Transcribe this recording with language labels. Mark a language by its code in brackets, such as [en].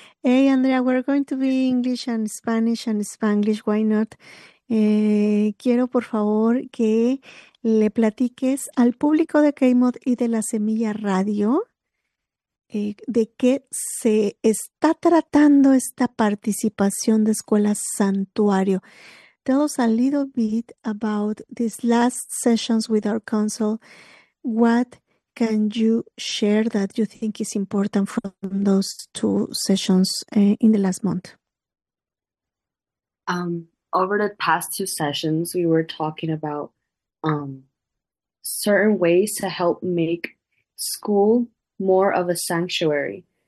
[en] Hey Andrea, we're going to be English and Spanish and Spanglish, why not? [es] Quiero por favor que le platiques al público de K-Mod y de La Semilla Radio de qué se está tratando esta participación de Escuela Santuario. [en] Tell us a little bit about these last sessions with our council. What can you share that you think is important from those two sessions in the last month? Over the past two sessions, we were talking about certain ways to help make school more of a sanctuary.